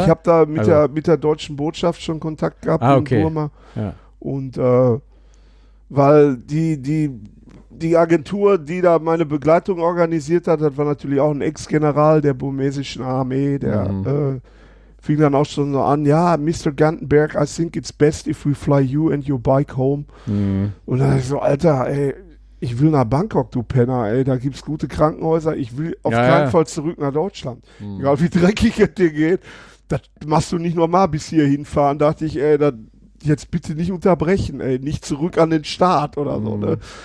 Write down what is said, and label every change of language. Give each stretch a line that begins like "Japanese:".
German: Ich habe da mit der deutschen Botschaft schon Kontakt gehabt in Burma. Ja. Und weil die Agentur, die da meine Begleitung organisiert hat, das war natürlich auch ein Ex-General der burmesischen Armee, der fing dann auch schon so an, ja, Mr.
English: Gantenberg, I think it's best if we fly you and your bike home. Mhm.
German: Und dann so, Alter, ey, ich will nach Bangkok, du Penner, ey, da gibt's gute Krankenhäuser, ich will auf keinen Fall zurück nach Deutschland. Mhm. Egal wie dreckig es dir geht, das machst du nicht normal bis hier hinfahren, dachte ich, ey, das, jetzt bitte nicht unterbrechen, ey, nicht zurück an den Staat oder so, ne?